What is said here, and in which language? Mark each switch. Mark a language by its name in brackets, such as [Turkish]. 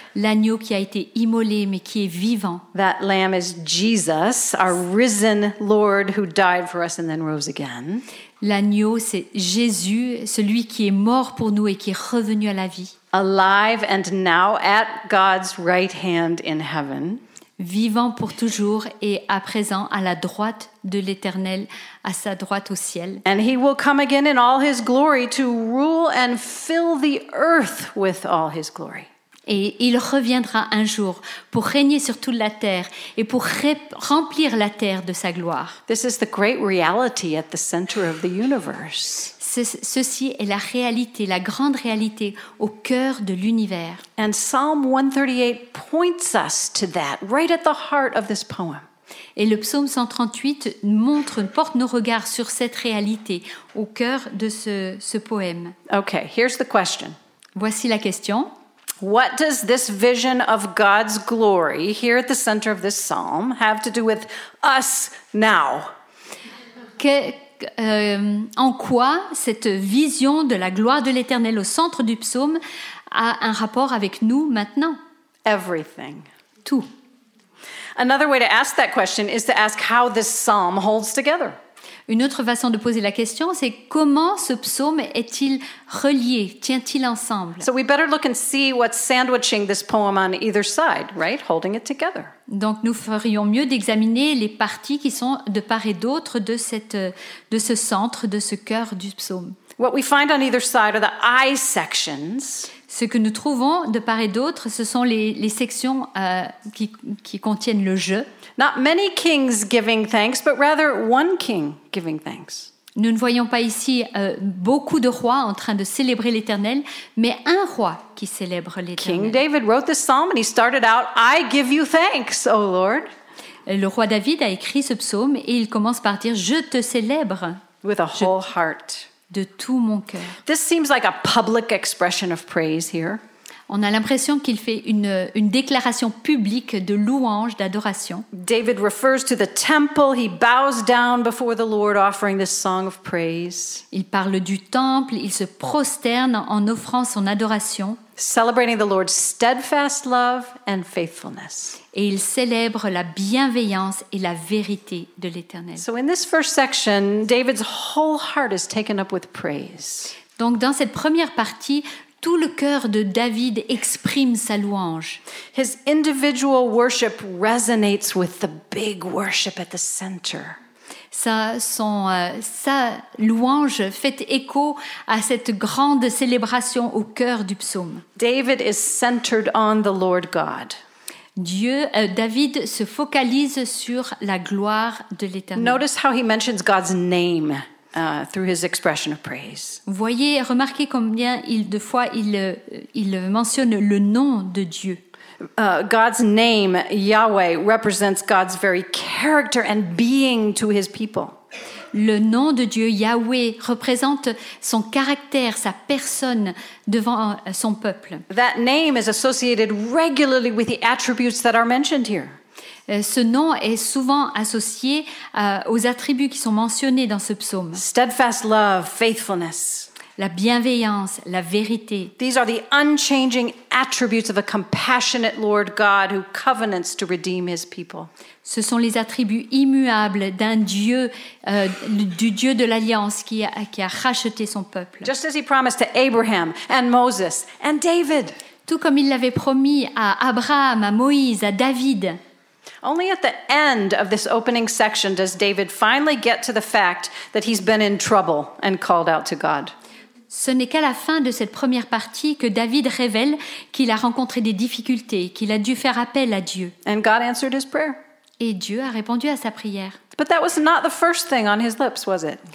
[French] L'agneau qui a été immolé mais qui est vivant. [English] That Lamb is Jesus, our risen Lord who died for us and then rose again. [French] L'agneau, c'est Jésus, celui qui est mort pour nous et qui est revenu à la vie. [English] Alive and now at God's right hand in heaven. [French] Vivant pour toujours et à présent à la droite de l'Éternel, à sa droite au ciel. [English] And he will come again in all his glory to rule and fill the earth with all his glory. [French] Et il reviendra un jour pour régner sur toute la terre et pour remplir la terre de sa gloire. [English] This is the great reality at the center of the universe. [French] Ceci est la réalité, la grande réalité au cœur de l'univers. [English] And Psalm 138 points us to that, right at the heart of this poem. [French] Et le psaume 138 porte nos regards sur cette réalité au cœur de ce poème. [English] Okay, here's the question. [French] Voici la question. [English] What does this vision of God's glory here at the center of this psalm have to do with us now? [French] En quoi cette vision de la gloire de l'Éternel au centre du psaume a un rapport avec nous maintenant? [English] Everything. [French] Tout. [English] Another way to ask that question is to ask how this psalm holds together. [French] Une autre façon de poser la question, c'est comment ce psaume est-il relié, tient-il ensemble? [English] So we better look and see what's sandwiching this poem on either side, right? Holding it together. [French] Donc nous ferions mieux d'examiner les parties qui sont de part et d'autre de ce centre, de ce cœur du psaume. [English] What we find on either side are the I sections. [French] Ce que nous trouvons de part et d'autre, ce sont les sections qui contiennent le je. [English] Not many kings giving thanks, but rather one king giving thanks. [French] Nous ne voyons pas ici beaucoup de rois en train de célébrer l'Éternel, mais un roi qui célèbre l'Éternel. [English] King David wrote this psalm and he started out, I give you thanks, O Lord. [French] Le roi David a écrit ce psaume et il commence par dire, je te célèbre. [English] With a whole heart. [French] De tout mon cœur. [English] This seems like a public expression of praise here. [French] On a l'impression qu'il fait une déclaration publique de louange, d'adoration. [English] David refers to the temple. He bows down before the Lord, offering this song of praise. [French] Il parle du temple. Il se prosterne en offrant son adoration. [English] Celebrating the Lord's steadfast love and faithfulness. [French] Et il célèbre la bienveillance et la vérité de l'Éternel. [English] So in this first section, David's whole heart is taken up with praise. [French] Donc dans cette première partie, tout le cœur de David exprime sa louange. [English] His individual worship resonates with the big worship at the center. [French] Sa louange fait écho à cette grande célébration au cœur du psaume. [English] David is centered on the Lord God. [French] David se focalise sur la gloire de l'Éternel. [English] Notice how he mentions God's name. Through his expression of praise. [French] Voyez, remarquez combien il mentionne le nom de Dieu. [English] God's name, Yahweh, represents God's very character and being to his people. [French] Le nom de Dieu, Yahweh, représente son caractère, sa personne devant son peuple. [English] That name is associated regularly with the attributes that are mentioned here. [French] Ce nom est souvent associé aux attributs qui sont mentionnés dans ce psaume. [English] Steadfast love, faithfulness. [French] La bienveillance, la vérité. [English] These are the unchanging attributes of a compassionate Lord God who covenants to redeem his people. [French] Ce sont les attributs immuables d'un Dieu, du Dieu de l'Alliance qui a racheté son peuple. [English] Just as he promised to Abraham and Moses and David. [French] Tout comme il l'avait promis à Abraham, à Moïse, à David. [English] Only at the end of this opening section does David finally get to the fact that he's been in trouble and called out to God. [French] Ce n'est qu'à la fin de cette première partie que David révèle qu'il a rencontré des difficultés, qu'il a dû faire appel à Dieu. [English] And God answered his prayer. [French] Et Dieu a répondu à sa prière. [English] But that was not the first thing on his lips, was it?